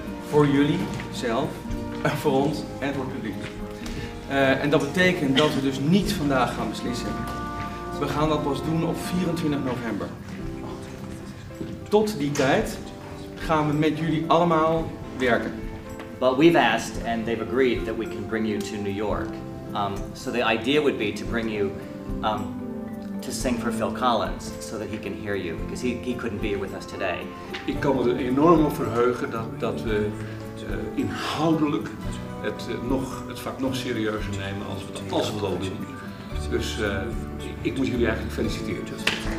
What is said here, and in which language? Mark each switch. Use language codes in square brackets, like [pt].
[nl] Voor jullie zelf, voor ons en voor het publiek. En dat betekent dat we dus niet vandaag gaan beslissen. We gaan dat pas doen op 24 november. Tot die tijd gaan we met jullie allemaal werken. [en] But we've asked and they've agreed that we can bring you to New York. So the idea would be to bring you to sing for Phil Collins, so that he can hear you, because he couldn't be here with us today. [nl] Ik kan me er enorm op verheugen dat we inhoudelijk het vak nog serieuzer nemen als we dat al doen. Dus ik moet jullie eigenlijk feliciteren. Dus.